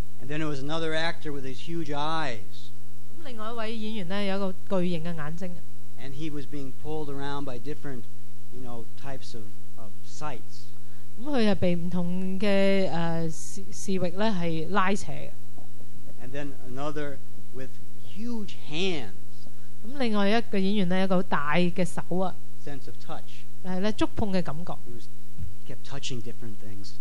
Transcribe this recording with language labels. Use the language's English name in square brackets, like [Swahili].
[English] And then there was another actor with his huge eyes. [Cantonese] 咁另外一位演員咧有一個巨型嘅眼睛。 [English] And he was being pulled around by different, you know, types of sights. [Cantonese] 咁佢係被唔同嘅視域咧係拉扯嘅。 [English] And then another with huge hands. [Cantonese] 咁另外一個演員咧有一個好大嘅手啊。 [English] Sense of touch. [Cantonese] 係咧觸碰嘅感覺。 [English] Kept touching different things.